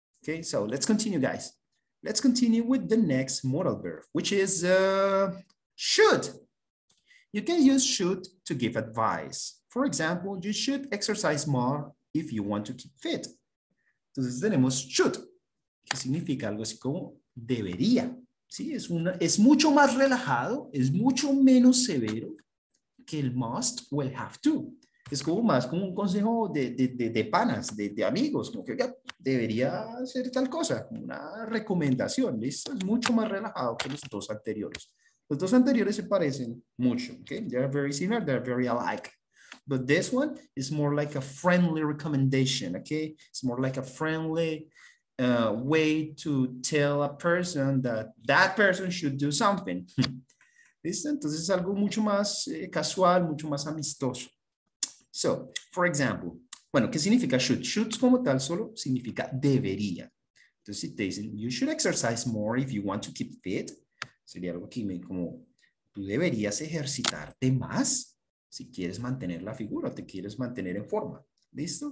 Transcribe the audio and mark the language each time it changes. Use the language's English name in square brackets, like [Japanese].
[English] Okay, so let's continue, guys. Let's continue with the next modal verb, which is should. You can use should to give advice. For example, you should exercise more if you want to keep fit. [Spanish] Entonces tenemos should, que significa algo así como debería. Sí, es mucho más relajado, es mucho menos severo que el must o el have to. Es como más como un consejo de panas, de amigos, como que ya debería hacer tal cosa, una recomendación, ¿listo? Es mucho más relajado que los dos anteriores. Los dos anteriores se parecen mucho, okay? [English] They are very similar, they are very alike. But this one is more like a friendly recommendation, okay? It's more like a friendly way to tell a person that person should do something. [Spanish] ¿Listo? Entonces es algo mucho más casual, mucho más amistoso. So, for example, bueno, ¿qué significa should? Should como tal solo significa debería. Entonces, si te dicen, [English] you should exercise more if you want to keep fit, [Spanish] sería algo que me como, tú deberías ejercitarte más si quieres mantener la figura, te quieres mantener en forma. ¿Listo?